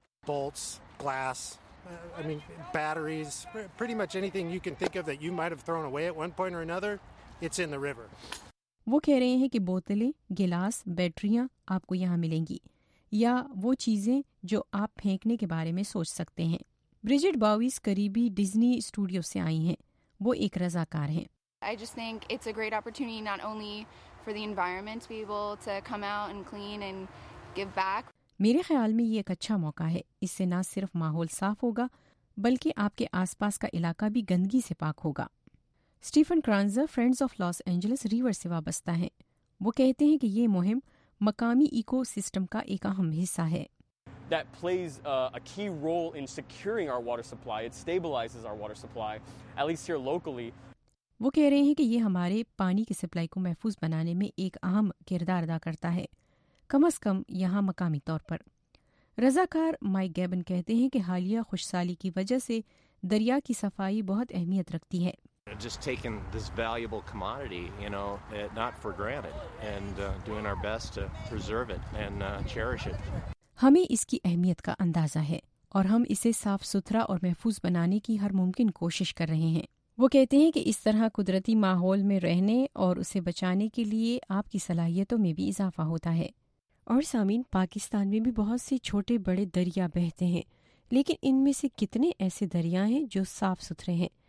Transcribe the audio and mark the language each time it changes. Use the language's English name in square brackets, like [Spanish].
[English] Bolts, glass, batteries, pretty much any thing you can think of that you might have thrown away at one point اور another, it's in the river. [Urdu] وہ کہہ رہے ہیں کہ بوتلیں، glass, بیٹریاں آپ کو یہاں ملیں گی، یا وہ چیزیں جو آپ پھینکنے کے بارے میں سوچ سکتے ہیں۔ بریجٹ باویز قریبی ڈزنی اسٹوڈیو سے آئی ہیں، وہ ایک رضاکار ہیں۔ [English] I just think it's a great opportunity not only for the environment to be able to come out and clean and give back. [Urdu] میرے خیال میں یہ ایک اچھا موقع ہے، اس سے نہ صرف ماحول صاف ہوگا بلکہ آپ کے آس پاس کا علاقہ بھی گندگی سے پاک ہوگا۔ Stephen کرانزر friends of Los Angeles river سے وابستہ ہیں، وہ کہتے ہیں کہ یہ مہم مقامی ایکو سسٹم کا ایک اہم حصہ ہے۔ [English] That plays a key role in securing our water supply. It stabilizes our water supply, at least here locally. [Urdu] وہ کہہ رہے ہیں کہ یہ ہمارے پانی کی سپلائی کو محفوظ بنانے میں ایک اہم کردار ادا کرتا ہے، کم از کم یہاں مقامی طور پر۔ رضاکار مائک گیبن کہتے ہیں کہ حالیہ خوش سالی کی وجہ سے دریا کی صفائی بہت اہمیت رکھتی ہے۔ [English] Just taking this valuable commodity, you know, not for granted, and doing our best to preserve it and cherish it. [Urdu] ہمیں اس کی اہمیت کا اندازہ ہے اور ہم اسے صاف ستھرا اور محفوظ بنانے کی ہر ممکن کوشش کر رہے ہیں۔ وہ کہتے ہیں کہ اس طرح قدرتی ماحول میں رہنے اور اسے بچانے کے لیے آپ کی صلاحیتوں میں بھی اضافہ ہوتا ہے۔ اور سامعین، پاکستان میں بھی بہت سے چھوٹے بڑے دریا بہتے ہیں، لیکن ان میں سے کتنے ایسے دریا ہیں جو صاف ستھرے ہیں؟